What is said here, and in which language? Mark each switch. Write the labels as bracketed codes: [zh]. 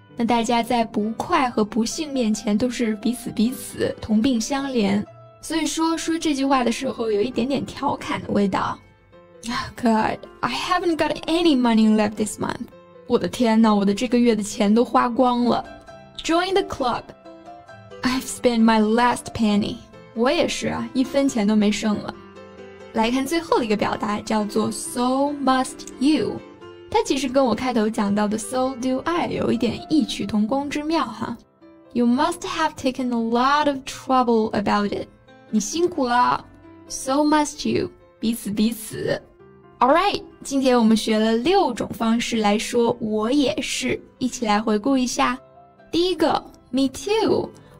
[zh] 那大家在不快和不幸面前都是彼此彼此同病相怜，所以说这句话的时候有一点点调侃的味道。 [en] God, I haven't got any money left this month. [zh] 我的天哪，我的这个月的钱都花光了。 [en] Join the club. I've spent my last penny. [zh] 我也是啊，一分钱都没剩了。来看最后一个表达，叫做 [en] So must you. [zh] 它其实跟我开头讲到的 [en] so do I [zh] 有一点异曲同工之妙哈。 [en] You must have taken a lot of trouble about it. [zh] 你辛苦了。 [en] So must you. [zh] 彼此彼此。 Alright, 今天我们学了六种方式来说我也是。一起来回顾一下。第一个 , [en] me too.